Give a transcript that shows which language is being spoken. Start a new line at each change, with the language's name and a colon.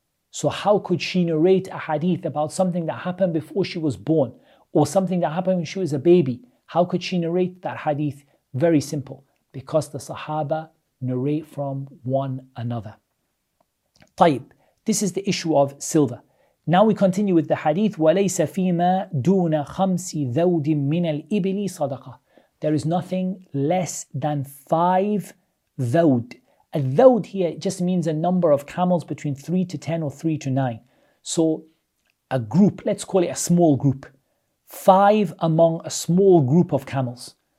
English: So how could she narrate a hadith about something that happened before she was born, or something that happened when she was a baby? How could she narrate that hadith? Very simple, because the Sahaba narrate from one another. Tayyib, this is the issue of silver. Now we continue with the hadith,
Arabic: وَلَيْسَ فِيمَا دُونَ خَمْسِ ذَوْدٍ مِّنَ الْإِبْلِ صَدَقَةً.
English: There is nothing less than 5 ذَوْد. A ذَوْد here just means a number of camels between 3 to 10 or 3 to 9. So a group, let's call it a small group. 5 among a small group of camels.